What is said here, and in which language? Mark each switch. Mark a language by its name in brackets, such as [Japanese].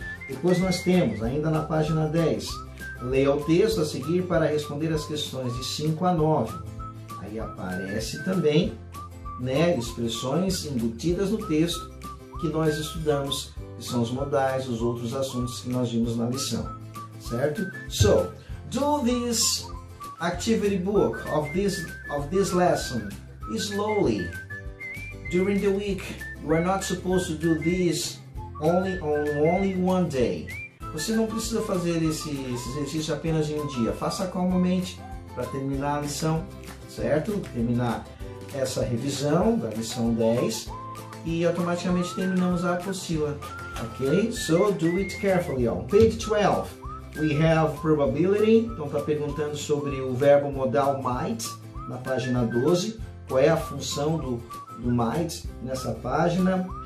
[Portuguese] Depois nós temos, ainda na página 10, leia o texto a seguir para responder as questões de 5 a 9. Aí aparece também, né, expressões embutidas no texto que nós estudamos, que são os modais, os outros assuntos que nós vimos na lição. Certo? [English] So, do this activity book of this lesson slowly. During the week, you are not supposed to do this only one day. [Portuguese] Você não precisa fazer esse exercício apenas em um dia. Faça calmamente para terminar a lição, certo? Terminar essa revisão da lição 10 e automaticamente terminamos a apostila. Ok? [English] So, do it carefully. On page 12. We have probability, [Portuguese] então está perguntando sobre o verbo modal might, na página 12, qual é a função do might nessa página.